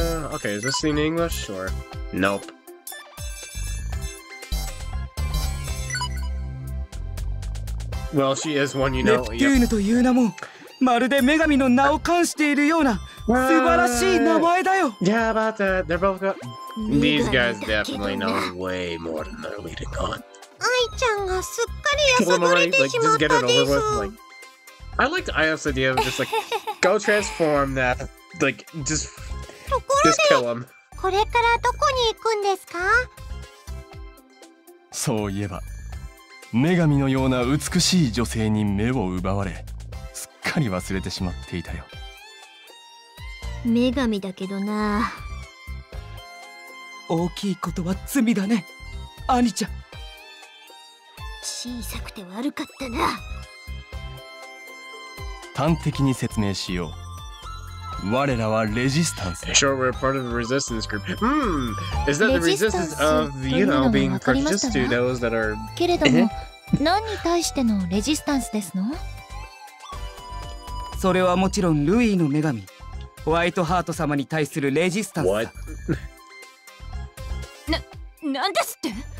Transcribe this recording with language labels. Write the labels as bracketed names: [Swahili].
[English] Okay, is this in English or nope? Well, she is one, you know. [Japanese] ネプテューヌという名も、まるで女神の名を冠しているような素晴らしい名前だよ。 [English] Yeah, about that. They're both got... These guys definitely know way more than they're leading on. [Japanese] Ai ちゃんがすっかりやさぐれてしまったです。 [English] Just get it over with. Like, I liked Aya's idea of just like, go transform that. Like, just kill him. [Japanese] これからどこに行くんですか？そういえば、女神のような美しい女性に目を奪われ、すっかり忘れてしまっていたよ。女神だけどな。大きいことは罪だね、兄ちゃん。小さくて悪かったな。端的に説明しよう。我らはレジスタンス。 [English] Sure, we're part of the resistance group. Is that the resistance of, you know, being prejudiced to those that are... [Japanese] けれども、何に対してのレジスタンスですの？それはもちろんルイの女神、ホワイトハート様に対するレジスタンスだ。 [English] What? [Japanese] なんですって？